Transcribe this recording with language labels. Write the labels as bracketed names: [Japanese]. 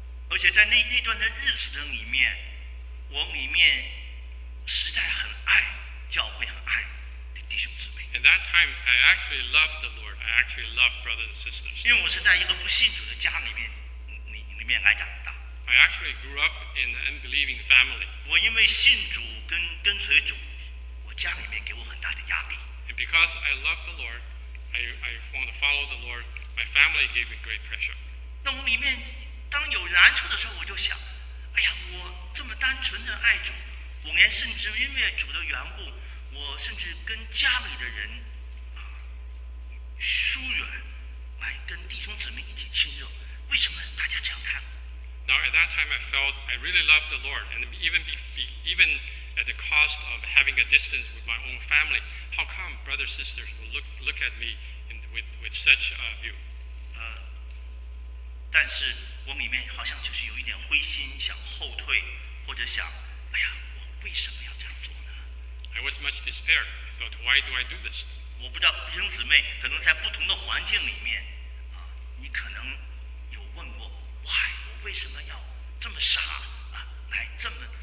[Chinese] 而且在那段的日子的里面，我里面实在很爱教会，很爱弟兄姊妹。 [English] In that time, I actually loved the Lord. I actually loved brothers and sisters. [Chinese] 因为我是在一个不信主的家里面来长大。 [English] I actually grew up in an unbelieving family. [Chinese] 我因为信主跟随主。家里面给我很大的压力。 [English] And because I love the Lord, I want to follow the Lord. My family gave me great pressure. [Chinese] 那我里面当有难处的时候，我就想，哎呀，我这么单纯的爱主，我连甚至因为主的缘故，我甚至跟家里的人疏远，来跟弟兄姊妹一起亲热，为什么大家这样看我？ [English] Now at that time, I felt I really loved the Lord, and even at the cost of having a distance with my own family, how come brothers and sisters will look at me with such a view? [Chinese] 但是我里面好像就是有一点灰心，想后退，或者想，哎呀，我为什么要这样做呢？ [English] I was much despair. I thought, why do I do this? [Chinese] 我不知道弟兄姊妹可能在不同的环境里面，你可能有问过 [English] why [Chinese] 我为什么要这么傻啊，来这么。